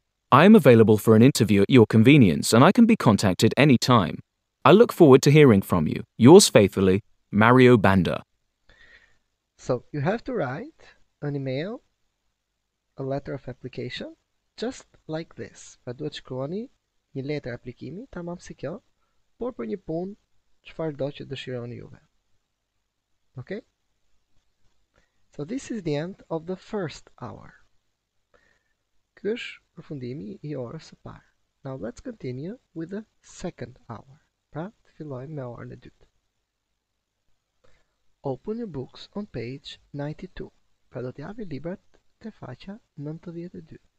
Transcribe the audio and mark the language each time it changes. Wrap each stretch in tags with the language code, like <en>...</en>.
<en>I am available for an interview at your convenience and I can be contacted any time. I look forward to hearing from you. Yours faithfully, Mario Banda. So, you have to write an email, a letter of application, just like this.</en> <sq>Pra duhet të shkruani një letër aplikimi, tamam si kjo, por për një punë, çfarë do që dëshironi juve.</sq> <en>Okay? So, this is the end of the first hour.</en> <sq>Ky është përfundimi I orës së parë.</sq> <en>Now, let's continue with the second hour.</en> <sq>Pra, të fillojmë me orën e dytë.</sq> <en>Open your books on page 92.</en> <sq>Pra, do t'javi librat të faqa 92.</sq>